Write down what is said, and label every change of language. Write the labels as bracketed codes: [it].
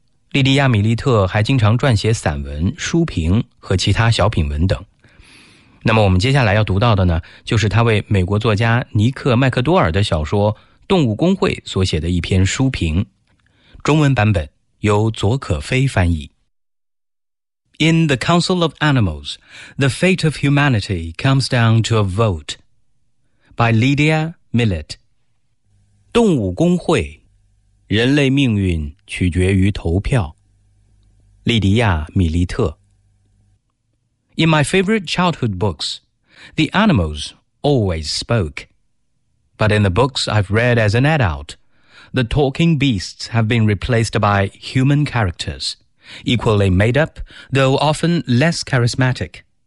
[zh] 莉迪亚·米利特还经常撰写散文、书评和其他小品文等。那么我们接下来要读到的呢，就是他为美国作家尼克·麦克多尔的小说《动物公会》所写的一篇书评，中文版本由左可飞翻译。 [en] In the Council of Animals, the fate of humanity comes down to a vote. By Lydia Millet. [zh] 动物公会，人类命运取决于投票。莉迪亚·米利特。 [en] In my favorite childhood books, the animals always spoke. But in the books I've read as an adult, the talking beasts have been replaced by human characters, equally made up, though often less charismatic.